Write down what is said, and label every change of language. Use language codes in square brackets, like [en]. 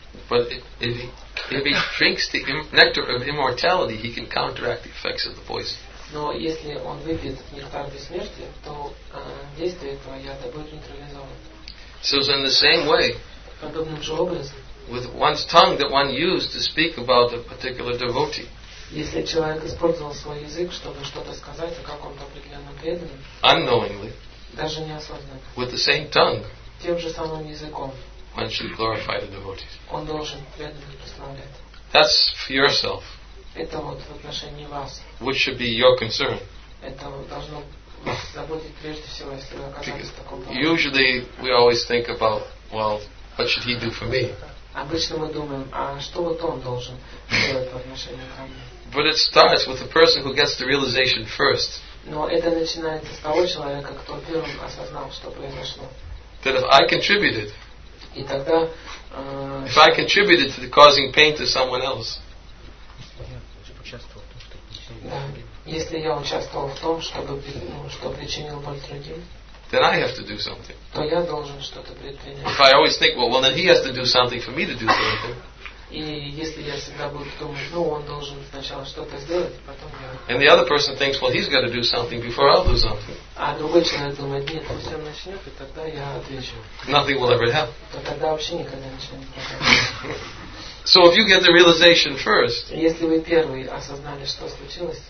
[en] But if he drinks the nectar of immortality, he can counteract the effects of the poison. [ru] Но если он выпьет нектар бессмертия, то действие этого яда будет нейтрализовано. [en] So in the same way, [ru] подобным же образом, [en] with one's tongue that one used to speak about a particular devotee. [ru] Если человек использовал свой язык, чтобы что-то сказать о каком-то определенном преданном, [en] unknowingly, [ru] даже неосознанно, [en] with the same tongue, [ru] тем же самым языком. [en] One should glorify the devotees. [ru] Он должен преданных прославлять. [en] That's for yourself. [ru] Это вот в отношении вас. [en] Which should be your concern. [ru] Это должно вас заботить прежде всего, если вы оказались в таком положении. [en] Usually we always think about, well, what should he do for me? [ru] Обычно мы думаем, а что вот он должен делать в отношении ко мне? [en] But it starts with the person who gets the realization first. [ru] Но это начинается с того человека, кто первым осознал, что произошло. [en] That if I contributed. [ru] И тогда, [en] if I contributed to the causing pain to someone else, [ru] если я участвовал в том, что причинил боль другим, [en] then I have to do something. [ru] То я должен что-то предпринять. [en] If I always think, well, then he has to do something for me to do something. [ru] И если я всегда буду думать, он должен сначала что-то сделать, потом я. [en] And the other person thinks, well, he's got to do something before I'll do something. [ru] А другой человек думает, нет, он всё начнёт, и тогда я отвечу. [en] Nothing will ever happen. [ru] То тогда вообще никогда ничего не происходит. [en] So if you get the realization first, [ru] если вы первый осознали, что случилось,